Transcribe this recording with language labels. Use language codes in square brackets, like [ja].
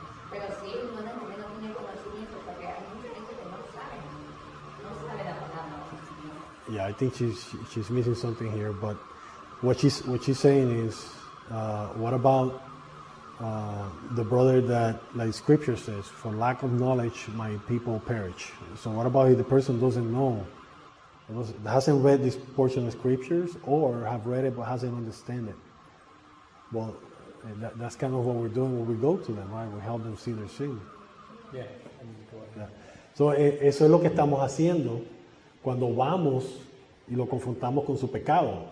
[es] Pero sí, uno de los menos tiene conocimiento, porque hay mucha gente que no sabe. No sabe la palabra. [en] Yeah, I think she's missing something here, but what she's saying is, what about the brother that, like scripture says, for lack of knowledge, my people perish. So what about if the person doesn't know, hasn't read this portion of scriptures, or have read it but hasn't understand it? Well, that's kind of what we're doing when we go to them, right? We help them see their sin. Yeah. [es] So eso es lo que estamos haciendo cuando vamos y lo confrontamos con su pecado.